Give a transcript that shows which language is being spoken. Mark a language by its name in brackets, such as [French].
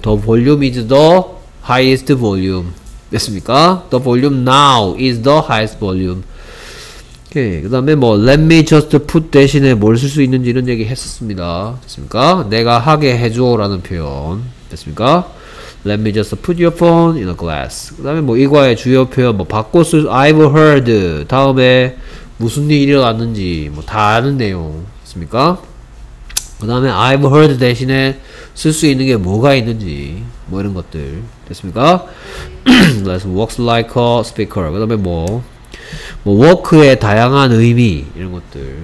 [English] 더 볼륨 is the highest volume. [Korean] 됐습니까? [English] the volume now is the highest volume. [Korean] 오케이. 그 다음에 뭐 [English] let me just put [Korean] 대신에 뭘 쓸 수 있는지 이런 얘기 했었습니다. 됐습니까? 내가 하게 해줘 라는 표현. 됐습니까? [English] Let me just put your phone in a glass. [Korean] 그 다음에 뭐 이과의 주요 표현 뭐 바꿔 쓸 수, I've heard. 다음에 무슨 일이 일어났는지 뭐 다 아는 내용. 됐습니까? 그 다음에 I've heard 대신에 쓸 수 있는 게 뭐가 있는지 뭐 이런 것들. 됐습니까? [English] That works like a speaker. [Korean] 그 다음에 뭐 work의 다양한 의미 이런 것들.